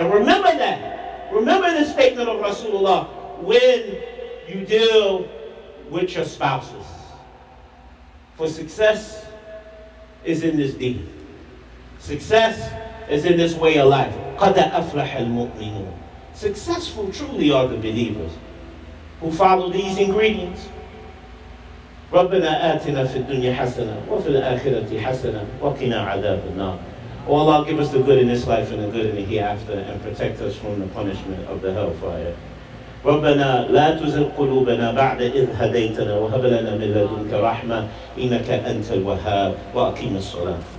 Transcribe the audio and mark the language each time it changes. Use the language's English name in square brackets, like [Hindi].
[English] And remember that. Remember the statement of Rasulullah when you deal with your spouses. For success is in this deed. Success is in this way of life. [Arabic] قَدْ أَفْلَحَ الْمُؤْمِنُونَ. [English] Successful truly are the believers who follow these ingredients. [Arabic] ربنا آتنا في الدنيا حسنة وفي الآخرة حسنة وقنا عذاب النار. [English] Oh Allah, give us the good in this life and the good in the hereafter, and protect us from the punishment of the hellfire. [Arabic] ربنا لا تزغ قلوبنا بعد إذ هديتنا وهب لنا من لدنك رحمة إنك أنت الوهاب. وأقيم الصلاة.